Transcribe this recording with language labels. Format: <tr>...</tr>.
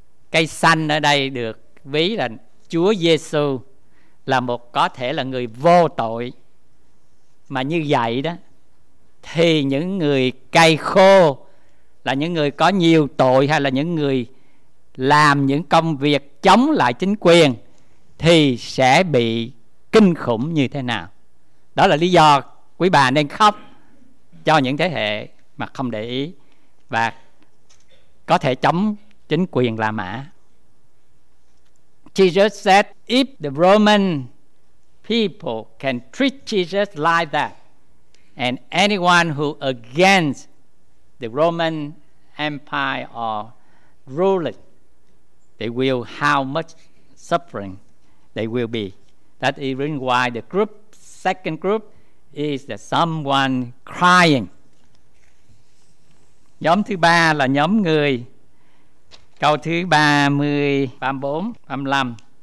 <vi>Cây xanh ở đây được ví là Chúa Giêsu là một, có thể là người vô tội, mà như vậy đó thì những người cây khô là những người có nhiều tội, hay là những người làm những công việc chống lại chính quyền thì sẽ bị kinh khủng như thế nào. Đó là lý do quý bà nên khóc cho những thế hệ mà không để ý và có thể chống chính quyền La Mã.</vi> <en>Jesus said, if the Roman people can treat Jesus like that, and anyone who against the Roman Empire or ruling, they will how much suffering they will be. That is why the group, second group, is the someone crying.</en> <vi>Nhóm thứ ba là nhóm người. Câu thứ 30, 34, 35.</vi>